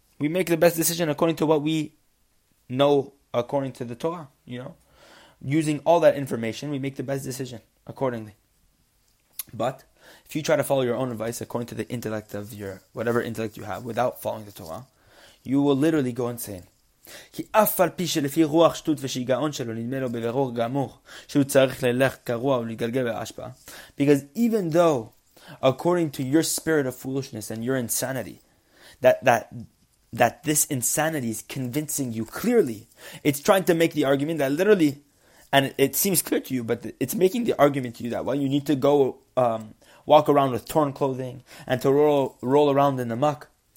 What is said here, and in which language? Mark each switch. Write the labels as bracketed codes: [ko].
[en] We make the best decision according to what we know according to the Torah, you know? Using all that information, we make the best decision accordingly. But if you try to follow your own advice according to the intellect of your, whatever intellect you have, without following the Torah, you will literally go insane. [he] כי אף על פי שלפי רוח שטות ושיגעון שלו נדמה לו בבירור גמור שהוא צריך ללך קרוע ולגלגל בהשפעה. [en] Because even though according to your spirit of foolishness and your insanity, that this insanity is convincing you clearly, it's trying to make the argument that literally, and it seems clear to you, but it's making the argument to you that, well, you need to go walk around with torn clothing and to roll around in the muck.